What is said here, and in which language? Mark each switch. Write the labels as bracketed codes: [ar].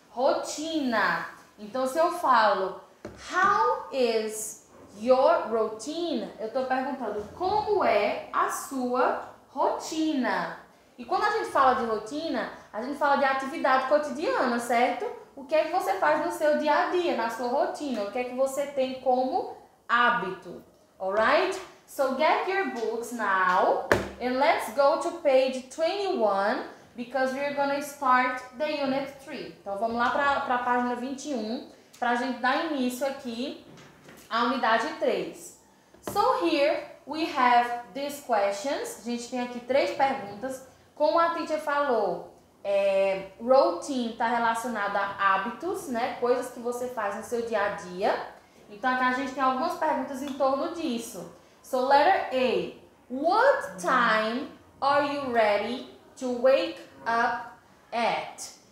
[pt] Rotina. Então, se eu falo, [en] how is your routine? [pt] Eu tô perguntando como é a sua rotina. E quando a gente fala de rotina, a gente fala de atividade cotidiana, certo? O que é que você faz no seu dia a dia, na sua rotina? O que é que você tem como hábito? [en] Alright? So get your books now and let's go to page 21 because we're gonna start the unit 3. [pt] Então vamos lá para a página 21 para a gente dar início aqui à unidade 3. [en] So here we have these questions. [pt] A gente tem aqui três perguntas. Como a teacher falou, routine está relacionado a hábitos, né? Coisas que você faz no seu dia a dia. Então, aqui a gente tem algumas perguntas em torno disso. [en] So, letter A. What time are you ready to wake up at?